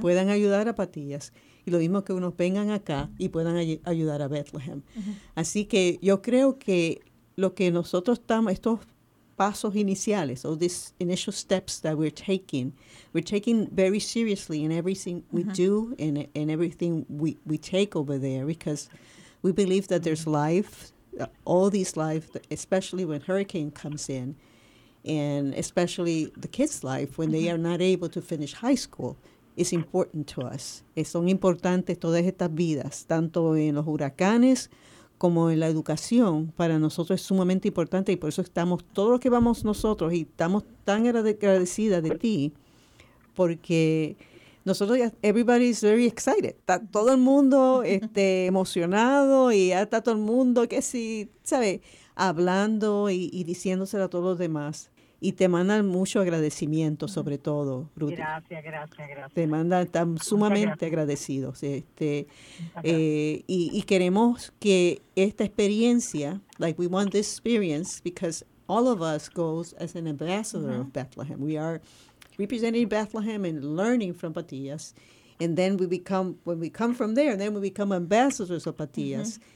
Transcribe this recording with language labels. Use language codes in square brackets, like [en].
[es] puedan ayudar a Patillas, y lo mismo que unos vengan acá y puedan ayudar a Bethlehem. Mm-hmm. Así que yo creo que lo que nosotros estamos, estos pasos iniciales, [en] all these initial steps that we're taking very seriously in everything we do and everything we take over there, because we believe that there's life, all these life, especially when hurricane comes in, and especially the kids' life when they are not able to finish high school, is important to us. [es] Son importantes todas estas vidas, tanto en los huracanes como en la educación. Para nosotros es sumamente importante, y por eso estamos todos los que vamos nosotros, y estamos tan agradecidas de ti, porque nosotros, [en] everybody's very excited. [es] Está todo el mundo emocionado, y ya está todo el mundo, que sí, ¿sabes? Hablando y diciéndoselo a todos los demás. Y te mandan mucho agradecimiento, sobre todo, Ruth. Gracias. Te mandan, están sumamente agradecidos. Y queremos que esta experiencia, [en] like, we want this experience, because all of us goes as an ambassador of Bethlehem. We are representing Bethlehem and learning from Patillas. And then when we come from there, then we become ambassadors of Patillas.